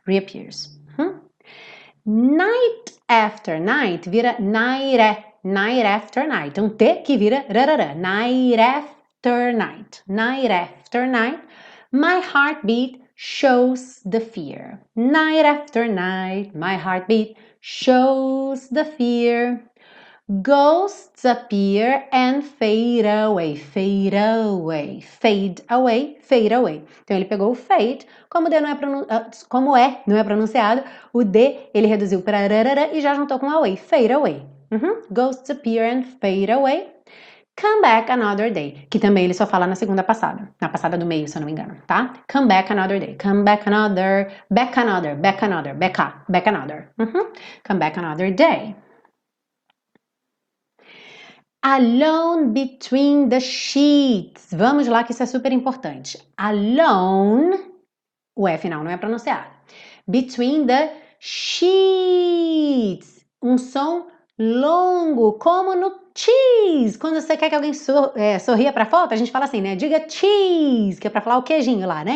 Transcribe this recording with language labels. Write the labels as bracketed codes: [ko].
[en] Reappears. Uhum. Night after night vira naire, night after night. [pt] Um T que vira rarara, [en] night after night, night after night. My heartbeat shows the fear. Night after night, my heartbeat shows the fear. Ghosts appear and fade away, fade away, fade away, fade away. [pt] Então ele pegou o fade, como, D não é como é, não é pronunciado, o D ele reduziu para rarara e já juntou com away, fade away. Uhum. [en] Ghosts appear and fade away. Come back another day, [pt] que também ele só fala na passada do meio, se eu não me engano, tá? [en] Come back another day, come back another, back another, back another, back up, back another. Uhum. Come back another day. Alone between the sheets. [pt] Vamos lá que isso é super importante. Alone, o F não é pronunciado. [en] Between the sheets. [pt] Um som longo, como no cheese. Quando você quer que alguém sorria para foto, a gente fala assim, né? Diga cheese, que é para falar o queijinho lá, né?